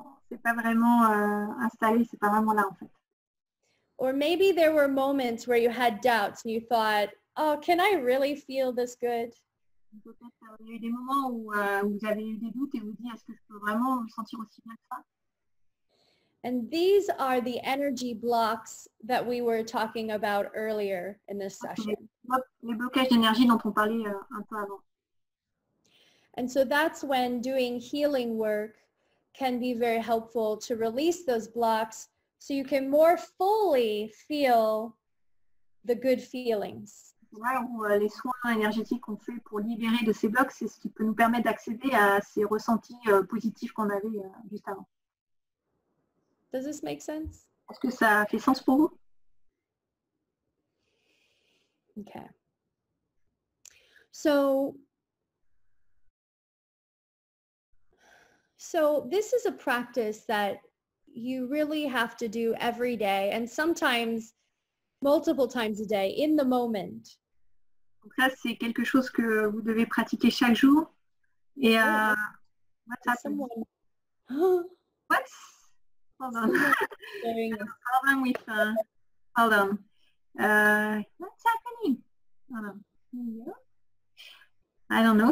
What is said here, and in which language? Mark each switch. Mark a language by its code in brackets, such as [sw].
[fr] C'est pas vraiment installé, c'est pas vraiment là en fait. [en] Or maybe there were moments where you had doubts and you thought, oh, can I really feel this good? [fr] Peut-être il y a eu des moments où vous avez eu des doutes et vous dites, est-ce que je peux vraiment me sentir aussi bien que ça? [en] And these are the energy blocks that we were talking about earlier in this session. [fr] Les blocages d'énergie dont on parlait un peu avant. [en] And so that's when doing healing work can be very helpful to release those blocks so you can more fully feel the good feelings. [fr] Là où les soins énergétiques qu'on fait pour libérer de ces blocs, c'est ce qui peut nous permettre d'accéder à ces ressentis positifs qu'on avait juste avant. [en] Does this make sense? [fr] Est-ce que ça fait sens pour vous? [en] Okay. So this is a practice that you really have to do every day and sometimes multiple times a day in the moment. [fr] Donc ça, c'est quelque chose que vous devez pratiquer chaque jour. Et [en] what happened? Someone... what? Hold on. I have a problem with, hold on. What's happening? Hold on. I don't know.